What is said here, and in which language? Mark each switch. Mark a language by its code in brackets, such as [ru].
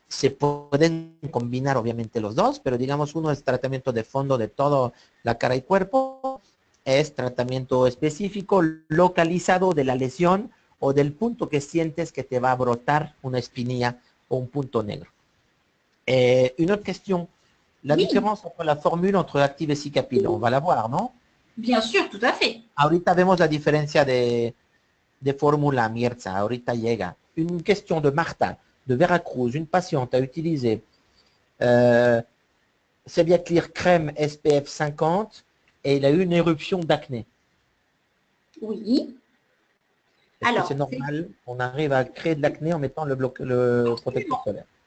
[es] Se pueden combinar obviamente los dos, pero digamos uno es tratamiento de fondo de toda la cara y cuerpo, es tratamiento específico localizado de la lesión o del punto que sientes que te va a brotar una espinilla o un punto negro. [fr] Une autre question, la différence entre la formule entre Active et Cicapil, on va la voir, non? Bien sûr, tout à fait. [es] Ahorita vemos la diferencia de fórmula, Mirza, ahorita llega. [fr] Une question de Marta, de Veracruz, une patiente a utilisé Cebiaclear crème SPF 50 et il a eu une éruption d'acné. Oui. Alors, c'est normal, on arrive à créer de l'acné en mettant le protecteur solaire.